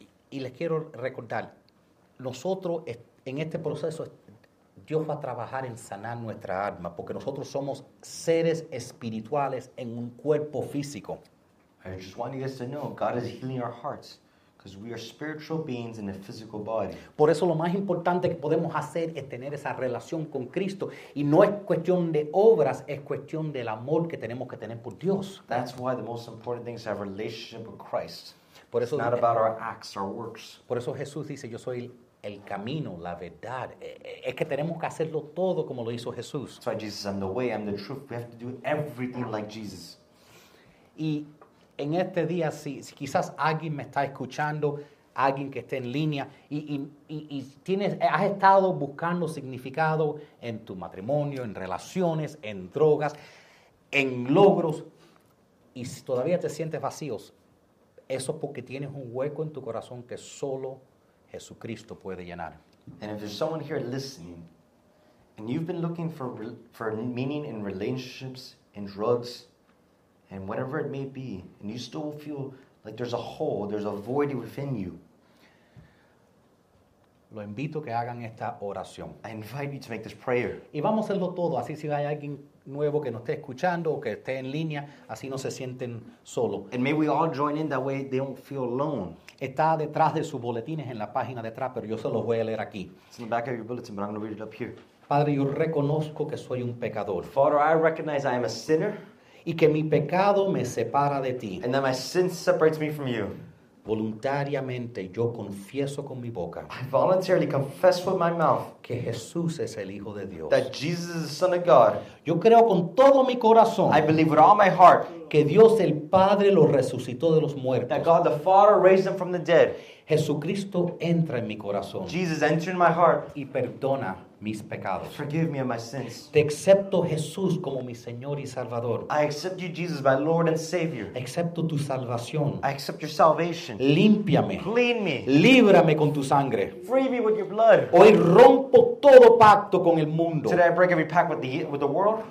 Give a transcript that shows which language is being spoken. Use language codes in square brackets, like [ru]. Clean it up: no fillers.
[es] Y les quiero recordar, nosotros estamos en este proceso, Dios va a trabajar en sanar nuestra alma, porque nosotros somos seres espirituales en un cuerpo físico. [en] I just want you guys to know, God is healing our hearts, because we are spiritual beings in a physical body. [es] Por eso lo más importante que podemos hacer es tener esa relación con Cristo, y no es cuestión de obras, es cuestión del amor que tenemos que tener por Dios. [en] That's why the most important thing is our relationship with Christ. [es] Por eso, [en] it's not about our acts, our works. [es] Por eso Jesús dice, yo soy el camino, la verdad. Es que tenemos que hacerlo todo como lo hizo Jesús. [en] So Jesus, I'm the way, I'm the truth. We have to do everything like Jesus. [es] Y en este día, si quizás alguien me está escuchando, alguien que esté en línea, y tienes, has estado buscando significado en tu matrimonio, en relaciones, en drogas, en logros, y si todavía te sientes vacíos, eso es porque tienes un hueco en tu corazón que solo Jesucristo puede llenar. [en] And if there's someone here listening, and you've been looking for meaning in relationships, in drugs, and whatever it may be, and you still feel like there's a hole, there's a void within you, [es] lo invito que hagan esta oración. [en] I invite you to make this prayer. [es] Y vamos a hacerlo todo, así si hay alguien nuevo que nos esté escuchando o que esté en línea, así no se sienten solo. [en] And may we all join in, that way they don't feel alone. [es] Está detrás de sus boletines en la página detrás, pero yo se los voy a leer aquí. [en] It's in the back of your bulletin, but I'm going to read it up here. [es] Padre, yo reconozco que soy un pecador. [en] Father, I recognize I am a sinner. [es] Y que mi pecado me separa de ti. [en] And that my sin separates me from you. [es] Voluntariamente yo confieso con mi boca. [en] I voluntarily confess with my mouth. [es] Que Jesús es el Hijo de Dios. [en] That Jesus is the Son of God. [es] Yo creo con todo mi corazón. [en] I believe with all my heart. [es] que Dios el Padre lo resucitó de los muertos. [en] That God the Father raised him from the dead. [es] Jesucristo entra en mi corazón. [en] Jesus entered my heart. [es] Y perdona mis pecados. [en] Forgive me of my sins. [es] Te acepto, Jesús, como mi Señor y Salvador. [en] I accept you, Jesus, my Lord and Savior. [es] Acepto tu salvación. [en] I accept your salvation. [es] Límpiame. [en] Clean me. [es] Líbrame con tu sangre. [en] Free me with your blood. [es] Hoy rompo todo pacto con el mundo. [en] Today I break every pact with the world.